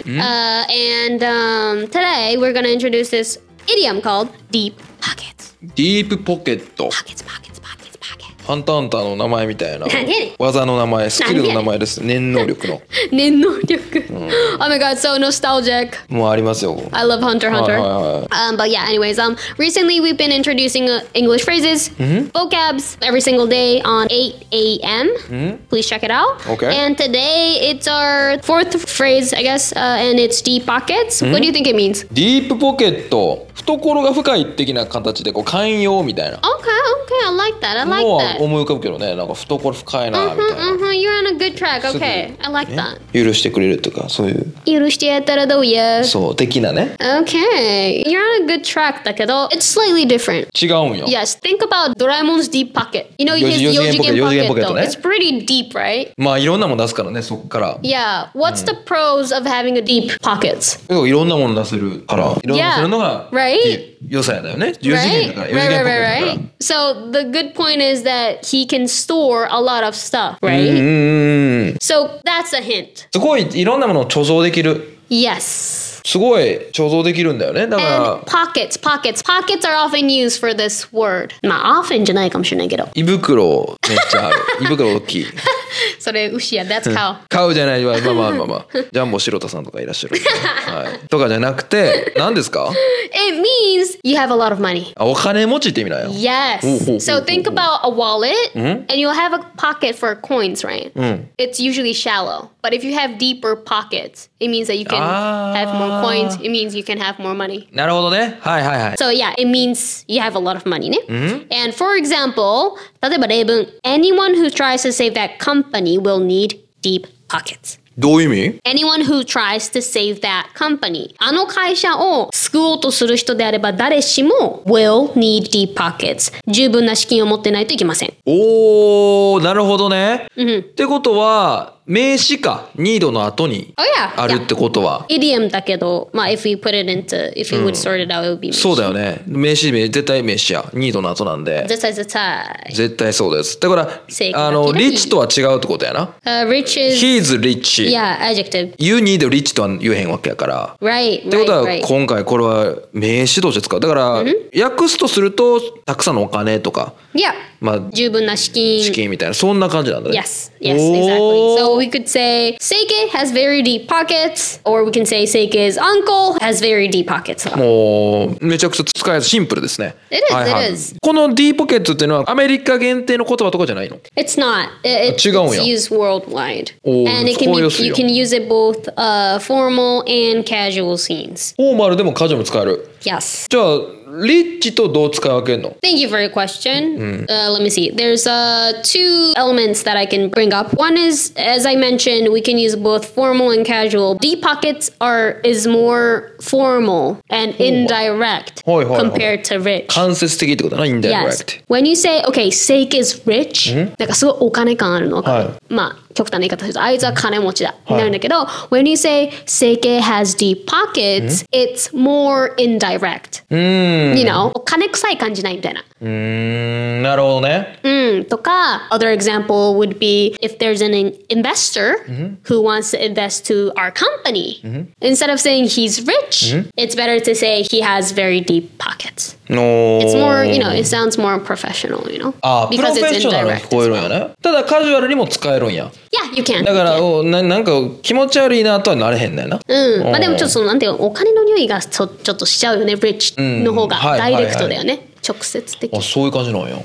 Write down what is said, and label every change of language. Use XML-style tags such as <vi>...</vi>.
<en>Today, we're going to introduce this idiom called deep pockets. Deep pocket. Pockets.</en> <ja>ファンタンタの名前みたいな。何で？技の名前、スキルの名前です。念能力の。念能力。</ja> <en>Oh my god, so nostalgic.</en> <ja>もうありますよ。</ja> <en>I love Hunter x Hunter. But yeah, anyways, recently we've been introducing English phrases, vocabs every single day on 8 a.m. Please check it out. Okay. And today it's our fourth phrase, I guess, and it's deep pockets. What do you think it means? Deep pocket.</en> <ja>懐が深い的な形で、こう寛容みたいな。</ja> <en>Okay, okay, I like that. I like that.</en> <ja>もう思い浮かぶけどね、なんか懐深いなみたいな。</ja> <en>You're on a good track. Okay, I like that.</en> <ja>許してくれるとか、そういう。許してやったらどうや。そう、的なね。</ja> <en>Okay, you're on a good track</en> <ja>だけど、</ja> <en>it's slightly different.</en> <ja>違うんよ。</ja> <en>Yes, think about Doraemon's deep pocket. You know, his</en> <ja>4次元ポケットね。</ja> <en>It's pretty deep, right?</en> <ja>まあ、いろんなもの出すからね、そこから。</ja> <en>Yeah, what's the pros of having a deep pockets?</en> <ja>いろんなもの出せるから、いろんなものするのが、</ja> <en>right? Right. So the good point is that he can store a lot of stuff, right? So that's a hint.</en> <ja>すごいいろんなものを貯蔵できる。</ja> <en>Yes.</en> <ja>すごい貯蔵できるんだよね。だから</ja> <en>And pockets are often used for this word.</en> <ja>まあ often じゃないかもしれないけど。胃袋めっちゃある。胃袋大きい。それ牛や</ja> <en>That's cow</en> <ja>カウじゃないわまあジャンボ白田さんとかいらっしゃる、はい、とかじゃなくて何ですか</ja> <en>It means you have a lot of money</en> <ja>あお金持ちって意味だよ</ja> <en>Yes So think about a wallet and you'll have a pocket for coins right It's usually shallow But if you have deeper pockets It means that you can have more coins It means you can have more money</en> <ja>なるほどねはいはいはい</ja> <en>So yeah It means you have a lot of money ね、And for example</en> <ja>例えば例文</ja> <en>Anyone who tries to save that company will need deep pockets.</en> <ja>どういう意味?</ja> <en>Anyone who tries to save that company.</en> <ja>あの会社を救おうとする人であれば誰しも</ja> <en>will need deep pockets.</en> <ja>十分な資金を持ってないといけません。おー、なるほどね。ってことは名詞か need の後にあるってことは、</ja> <en>oh, yeah. idiom</en> <ja>だけど、まあ</ja> <en>if we put it into if we would sort it out, it would be 名詞</en> <ja>そうだよね名詞名絶対名詞や need の後なんで絶対絶対絶対そうですだからあの rich とは違うってことやな</ja> <en>rich is he's rich yeah adjective</en> <ja>you need rich とは言えへんわけやから</ja> <en>right</en> <ja>ってことは今回これは名詞として使うだから訳すとするとたくさんのお金とか</ja> <en>Yeah.</en> <ja>まあ、十分な資金。資金みたいな。そんな感じなんだね。</ja> <en>Yes. Yes, exactly. So we could say, Seike has very deep pockets. Or we can say, Seike's uncle has very deep pockets.</en> <ja>もう、めちゃくちゃ使いやすい。シンプルですね。</ja> <en>It is,</en> <ja>はい、はい、</ja> <en>it is.</en> <ja>この deep pockets っていうのはアメリカ限定の言葉とかじゃないの?</ja> <en>It's not. It,</en> <ja>違うんや。</ja> <en>It's used worldwide. And it can be, you can use it both, formal and casual scenes.</en> <ja>フォーマルでもカジュアルも使える。</ja> <en>Yes.</en> <ja>じゃあ、リッチとどう使い分けるの?</ja> <en>Thank you for your question. Let me see. There's two elements that I can bring up. One is, as I mentioned, we can use both formal and casual. Deep pockets is more formal and indirect compared to rich.</en> <ja>間接的ってことだな、indirect.</ja> <en>Yes. When you say, okay, Seike is rich,</en> <ja>なんかすごいお金感あるの。はい。まあ極端な言い方です。あいつは金持ちだ。なるんだけど、</ja> <en>when you say Seike has deep pockets, it's more indirect. You know,</en> <ja>お金臭い感じないみたいな。なるほどね。とか、</ja> <en>other example would be if there's an investor who wants to invest to our company. Instead of saying he's rich, it's better to say he has very deep pockets. No. It's more, you know, it sounds more professional, you know.</en> <ja>Ah, professional に聞こえるんやね。ただカジュアルにも使えるんや。</ja> <en>Yeah, you can.</en> <ja>だから、なんか気持ち悪いなとはなれへんねんな。まあでもちょっとなんていうお金の匂いがちょっとしちゃうよね。 Rich の方がダイレクトだよね。直接的あそういう感じなんや</ja>